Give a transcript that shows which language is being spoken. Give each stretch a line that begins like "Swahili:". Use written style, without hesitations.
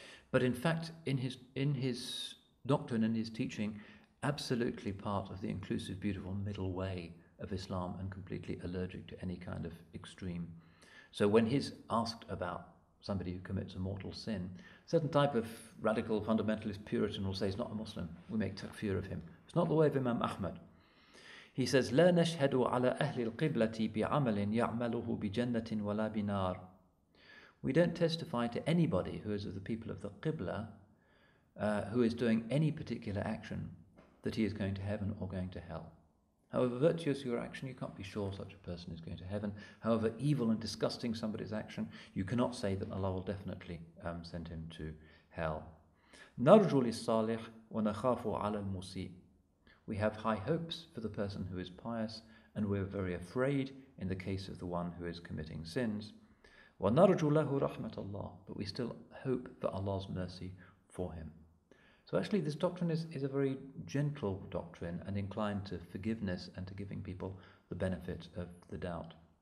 English: But in fact, in his doctrine and his teaching, absolutely part of the inclusive, beautiful middle way of Islam, and completely allergic to any kind of extreme. So when he's asked about somebody who commits a mortal sin, a certain type of radical fundamentalist Puritan will say he's not a Muslim. We make takfir of him. It's not the way of Imam Ahmad.
Arabic: He says, لا نشهد على أهل القبلة بعمل يعمله بجنة ولا بنار.
English: We don't testify to anybody who is of the people of the Qibla, who is doing any particular action, that he is going to heaven or going to hell. However virtuous your action, you can't be sure such a person is going to heaven. However evil and disgusting somebody's action, you cannot say that Allah will definitely send him to hell.
Arabic: نرجو للصالح ونخاف على المسيء.
English: We have high hopes for the person who is pious, and we are very afraid in the case of the one who is committing sins.
Arabic: وَنَرْجُ لَهُ رَحْمَةَ اللَّهِ
English: But we still hope for Allah's mercy for him. So actually this doctrine is a very gentle doctrine, and inclined to forgiveness and to giving people the benefit of the doubt.